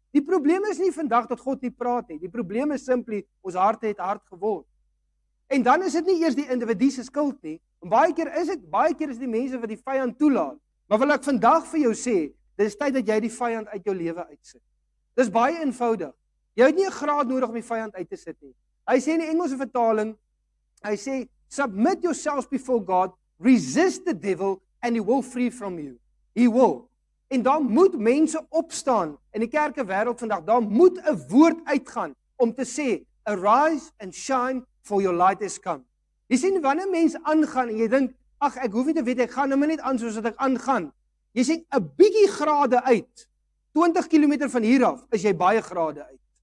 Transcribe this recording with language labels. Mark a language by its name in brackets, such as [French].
[Afrikaans] Die probleem is nie vandag dat God nie praat nie. Die probleem is simply ons harte het hard geword. En dan is dit nie eers die individu se skuld nie. En baie keer is dit die mense wat die vyand toelaat. Maar wil ek vandag vir jou sê, dit is tyd dat jy die vyand uit jou lewe uitsit. Dis baie eenvoudig. Jy het nie 'n graad nodig om die vyand uit te sit nie. Hy sê in die Engelse vertaling, hy sê [English] submit yourselves before God, resist the devil and he will flee from you. He will. [Afrikaans] En dan moet mense opstaan in die kerke wêreld vandag, dan moet 'n woord uitgaan om te sê [English] arise and shine for your light is come. [Afrikaans] Jy sien wanneer mense aangaan en jy dink ag ek hoef nie te weet ek gaan nou net aan soos wat ek aangaan. Jy sien 'n bietjie grade uit. 20 km van hier af is jy baie grade uit.